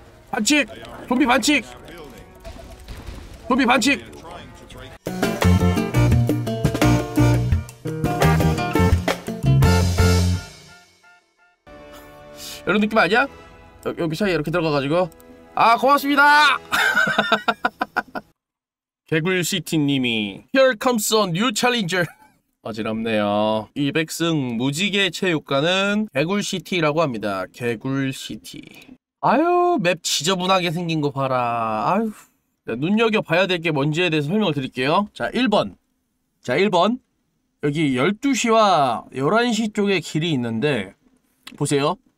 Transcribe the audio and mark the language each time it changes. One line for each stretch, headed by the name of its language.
Korean: 반칙 좀비 반칙 이런 느낌 아니야? 여기 차이 이렇게 들어가가지고 아 고맙습니다.
English: 개굴시티님이 Here comes a new challenger.
Korean: 어지럽네요. 200승 무지개 체육관은 개굴시티라고 합니다. 개굴시티. 아유 맵 지저분하게 생긴 거 봐라. 아유. 자, 눈여겨봐야 될 게 뭔지에 대해서 설명을 드릴게요. 자 1번. 자 1번. 여기 12시와 11시 쪽에 길이 있는데 보세요.